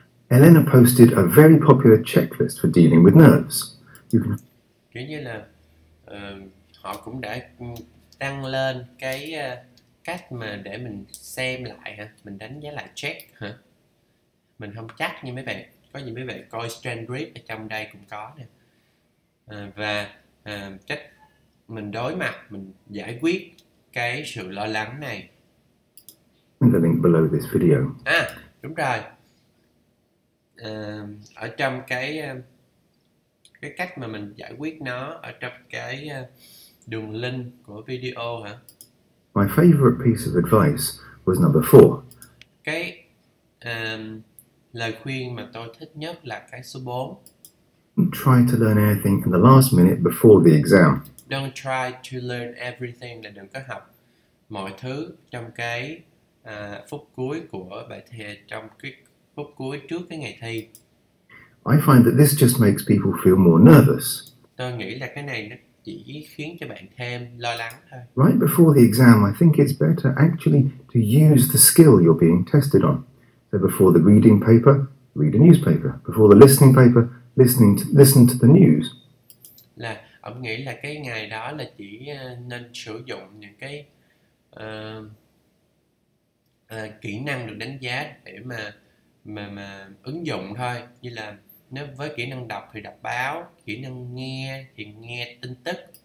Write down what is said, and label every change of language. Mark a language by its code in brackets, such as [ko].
[en] Elena posted a very popular checklist for dealing with nerves. You can. [vi] Kiểu như là họ cũng đã đăng lên cái cách mà để mình xem lại hả, mình đánh giá lại check hả? Mình không chắc như mấy bạn. Có gì mấy bạn coi Strand Grip ở trong đây cũng có nè. Và cách mình đối mặt, mình giải quyết cái sự lo lắng này. [en] The link below this video. [vi] À, đúng rồi. Ở trong cái cách mà mình giải quyết nó, ở trong cái đường link của video hả? [en] My favorite piece of advice was number 4. [vi] Cái... lời khuyên mà tôi thích nhất là cái số 4. [en] Try to learn anything in the last minute before the exam. Don't try to learn everything, [vi] là đừng có học mọi thứ trong cái phút cuối của bài thi, trong cái phút cuối trước cái ngày thi. [en] I find that this just makes people feel more nervous. [vi] Tôi nghĩ là cái này nó chỉ khiến cho bạn thêm lo lắng thôi. [en] Right before the exam, I think it's better actually to use the skill you're being tested on. Before the reading paper, read a newspaper. Before the listening paper, listen to the news. [vi] Là ông nghĩ là cái ngày đó là chỉ nên sử dụng những cái kỹ năng được đánh giá để mà ứng dụng thôi. Như là nếu với kỹ năng đọc thì đọc báo, kỹ năng nghe thì nghe tin tức.